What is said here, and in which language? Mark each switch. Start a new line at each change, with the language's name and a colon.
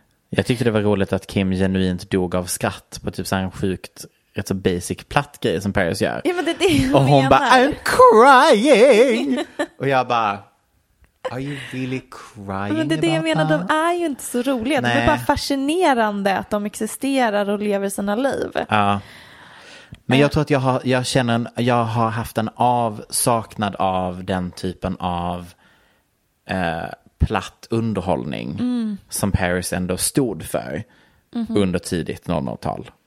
Swedish: Jag tyckte det var roligt att Kim genuint dog av skratt på typ så här en sjukt rätt så basic platt grej som Paris gör. Ja, men det är det hon menar. Bara,
English: I'm crying!
Swedish: Och jag bara,
English: are you really crying?
Swedish: Men det är det jag menar, de är ju inte så roliga. Nej. Det är bara fascinerande att de existerar och lever sina liv. Ja. Men jag tror att jag har haft en avsaknad av den typen av platt underhållning som Paris ändå stod för under tidigt 00-tal.